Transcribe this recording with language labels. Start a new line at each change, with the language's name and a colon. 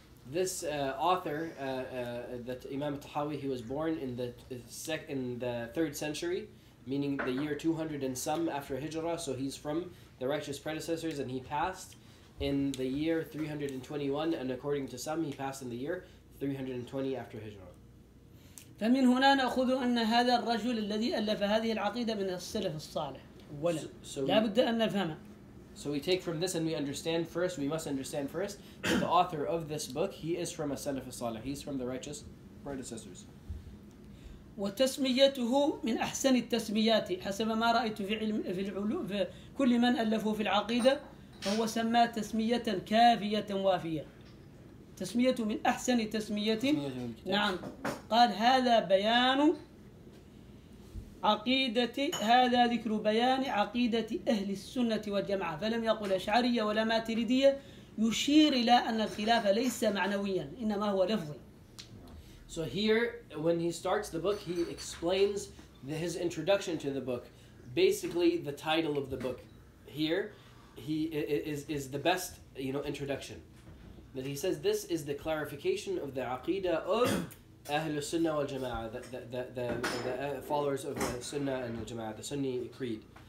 English: This author that Imam Tahawi, he was born in the third century, meaning the year 200 and some after Hijrah, so he's from the righteous predecessors, and he passed in the year 321, and according to some, he passed in the year 320 after Hijrah.
Arabic: فمن هنا نأخذ أن هذا الرجل الذي ألف هذه العقيدة من السلف الصالح. لا بد أن نفهمه.
English: So we take from this, and we understand first. We must understand first that the author of this book, he is from a Salaf al-Salih. He's from the righteous predecessors.
Arabic: وتسميته من أحسن التسميات حسب ما رأيت في علم في العلوم في كل من ألفوا في العقيدة. فهو سمى تسمية كافية وافية تسمية من أحسن تسمية نعم قال هذا بيان عقيدة هذا ذكر بيان عقيدة أهل السنة والجماعة فلم يقل أشعرية ولا ماتريدية يشير إلى أن الخلاف ليس معنويا إنما هو لفظي
English: So here when he starts the book he explains his introduction to the book basically the title of the book here He is the best, you know, introduction. That he says this is the clarification of the aqidah of Ahlus Sunnah wal Jama'ah, the followers of the Sunnah and the Jama'ah, the Sunni creed.